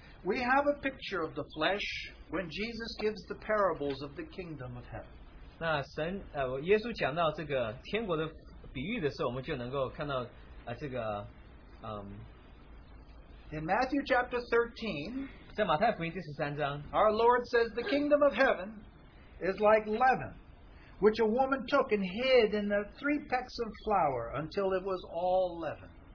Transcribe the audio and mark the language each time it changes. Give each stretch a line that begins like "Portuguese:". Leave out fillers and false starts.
English: We have a picture of the flesh when Jesus gives the parables of the kingdom of heaven.
Chinese: 那神，耶稣讲到这个天国的比喻的时候，我们就能够看到，这个，In
English: Matthew chapter 13,
Chinese: 在马太福音第十三章,
English: our Lord says the kingdom of heaven is like leaven, which a woman took and hid in the three pecks of flour until it was all leavened.